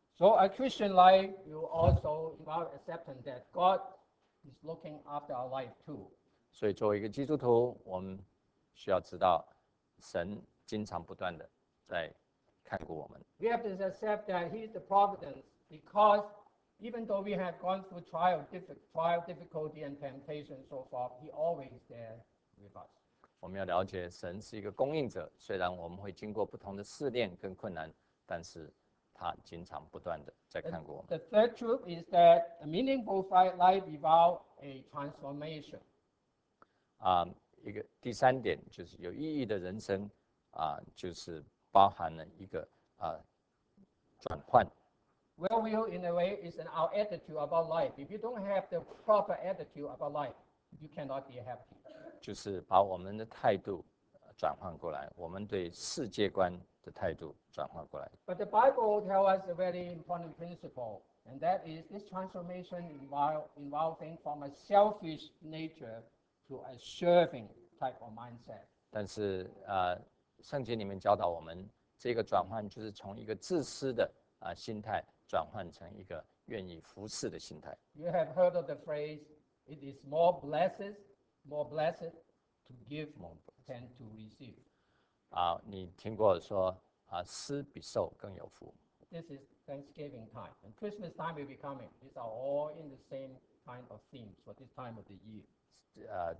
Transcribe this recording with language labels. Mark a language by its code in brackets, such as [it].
[en] So a Christian life, you also involve accepting that God is looking after our life too. [zh] 所以作为一个基督徒，我们需要知道，神经常不断的在看顾我们。 [en] We have to accept that He is the providence because Even though we have gone through trial, difficulty, and temptation so far, He always is there with us. [zh] 我们要了解神是一个供应者，虽然我们会经过不同的试炼跟困难，但是他经常不断的在看过我们。 [en] The third truth is that a meaningful life without a transformation. [zh] 一个第三点就是有意义的人生，就是包含了一个转换。 [en] Well, will in a way is an our attitude about life. If you don't have the proper attitude about life, you cannot be happy. [zh] 就是把我们的态度转换过来，我们对世界观的态度转换过来。 [en] But the Bible tells us a very important principle, and that is this transformation involving from a selfish nature to a serving type of mindset. [zh] 但是圣经里面教导我们，这个转换就是从一个自私的心态转换成一个愿意服侍的心态。 [en] You have heard of the phrase, "It is more blessed, to give than to receive." [zh] 你听过说施比受更有福。 [en] This is Thanksgiving time, and Christmas time will be coming. These are all in the same kind of themes for this time of the year.